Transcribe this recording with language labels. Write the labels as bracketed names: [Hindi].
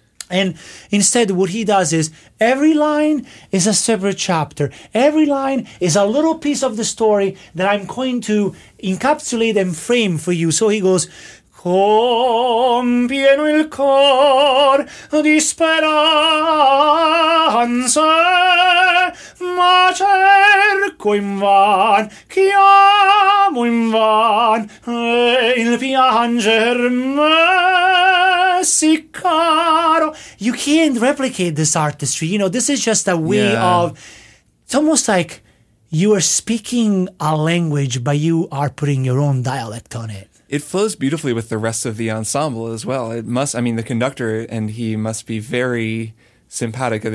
[English] And instead, what he does is every line is a separate chapter. Every line is a little piece of the story that I'm going to encapsulate and frame for you. [Italian] So he goes, con pieno il cor di speranza, ma cerco in van, chiamo in van, e il pianger me si caro. [English] You can't replicate this artistry. You know, this is just a way of, it's almost like you are speaking a language, but you are putting your own dialect on it. It flows beautifully with the rest of the ensemble as well. It must, I mean, the conductor and he must be very simpatico.